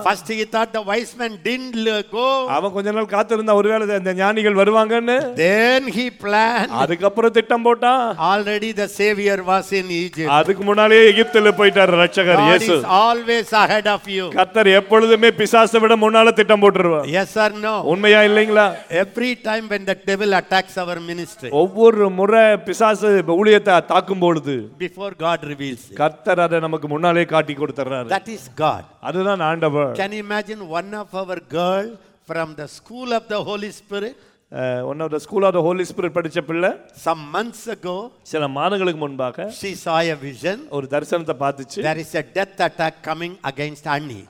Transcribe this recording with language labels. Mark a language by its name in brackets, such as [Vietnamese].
[English] First he thought the wise man didn't go. [Tamil] அவ கொஞ்ச நாள் காத்திருந்தா ஒருவேளை அந்த ஞானிகள் வருவாங்கன்னு. [English] Then he planned. [Tamil] அதுக்கு அப்புறம் திட்டம் போட்டான். [English] Already the savior was in Egypt. [Tamil] அதுக்கு முன்னாலே எகிப்துல போயிட்டார் இரட்சகர் இயேசு. [English] God is always ahead of you. [Tamil] கர்த்தர் எப்பொழுதுமே பிசாசை விட முன்னால திட்டம் போட்டுருவார். [English] Yes or no? [Tamil] உண்மையா இல்லீங்களா? [English] Every time when the devil attacks our ministry. [Tamil] ஒவ்வொரு முறை பிசாசு ஊழியத்தை தாக்கும் பொழுது, [English] before God reveals it. [Tamil] கர்த்தர் அதை நமக்கு முன்னாலே காட்டி கொடுத்துறாரு. [English] That is God. [Tamil] அதுதான் ஆண்டவர். [English] Can you imagine one of our girl from the school of the Holy Spirit, one of the school of the Holy Spirit [Tamil] padicha pilla, [English] some months ago, [Tamil] sila maanangalukku munbaga, [English] she saw a vision, [Tamil] oru darshanatha paathuchu. [English] There is a death attack coming against Annie.